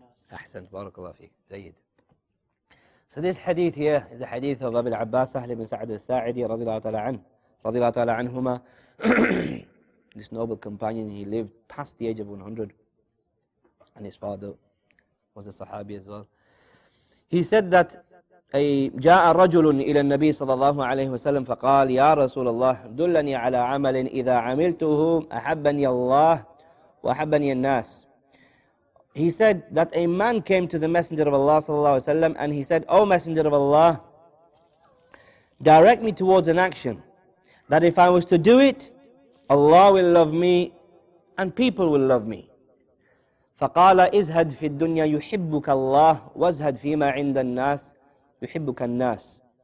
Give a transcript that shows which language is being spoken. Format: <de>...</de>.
<en>Ahsan, barakallahu fiik. Zayid. So this hadith here is a hadith of Abu al-Abbas, Sahl ibn Sa'd al-Sa'idi, radiallahu ta'ala anhu. Radiallahu ta'ala anhuma. This noble companion, he lived past the age of 100. And his father was a sahabi as well. He said that</en> <ar>أي جاء رجل إلى النبي صلى الله عليه وسلم فقال يا رسول الله دلني على عمل إذا عملته أحبني الله وأحبني الناس.</ar> <en>He said that a man came to the Messenger of Allah صلى الله عليه وسلم and he said, O Messenger of Allah, direct me towards an action that if I was to do it, Allah will love me and people will love me.</en> <ar>فقال ازهد في الدنيا يحبك الله وازهد فيما عند الناس يحبك الناس.</ar>